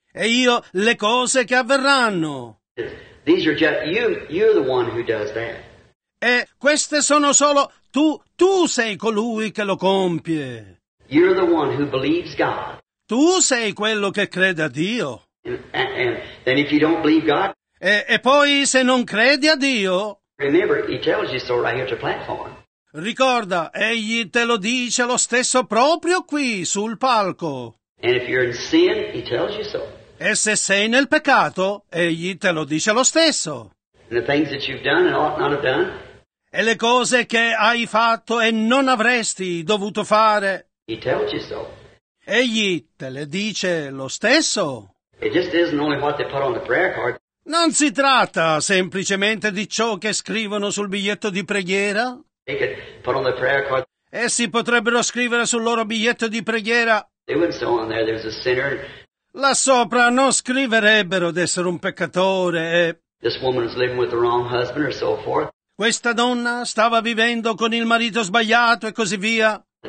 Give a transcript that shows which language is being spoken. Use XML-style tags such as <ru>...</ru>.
<it>E io le cose che avverranno.</it> <en>These are just, you're the one who does that.</en> <it>E queste sono solo tu sei colui che lo compie.</it> <en>You're the one who believes God.</en> <it>Tu sei quello che crede a Dio.</it> <en>And if you don't believe God,</en> <it>e poi se non credi a Dio.</it> <en>Remember, he tells you so right here to platform.</en> <it>Ricorda, egli te lo dice lo stesso proprio qui sul palco.</it> <en>And if you're in sin, he tells you so.</en> <it>E se sei nel peccato, egli te lo dice lo stesso.</it> <en>And the things that you've done and ought not have done.</en> <it>E le cose che hai fatto e non avresti dovuto fare.</it> <en>He tells you so.</en> <it>Egli te le dice lo stesso.</it> <en>It just isn't only what they put on the prayer card.</en> <it>Non si tratta semplicemente di ciò che scrivono sul biglietto di preghiera.</it> <en>They could put on the prayer card.</en> <it>Essi potrebbero scrivere sul loro biglietto di preghiera.</it> <en>They wouldn't say on there there's a sinner.</en> <it>Là sopra non scriverebbero d'essere un peccatore e.</it> <en>This woman is living with the wrong husband, or so forth.</en> <it>Questa donna stava vivendo con il marito sbagliato e così via.</it>